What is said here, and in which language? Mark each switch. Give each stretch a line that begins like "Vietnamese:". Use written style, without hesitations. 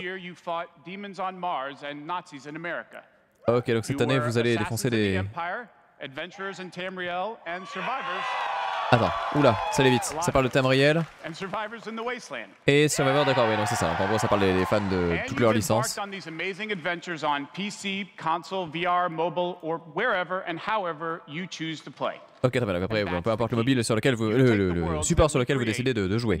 French: Ok, donc cette année vous allez défoncer des...
English: Adventurers and Tamriel and survivors.
French: Attends, oula, ça allait vite. Ça parle de Tamriel.
English: And survivors in the wasteland.
French: Et Survivor, d'accord, oui, non, c'est ça. En gros, ça parle des fans de toutes leurs licences.
English: On these amazing adventures on PC, console, VR, mobile, or wherever and however you choose to play.
French: Ok, très bien, donc après, peu importe le mobile sur lequel vous, le support sur lequel vous décidez de jouer.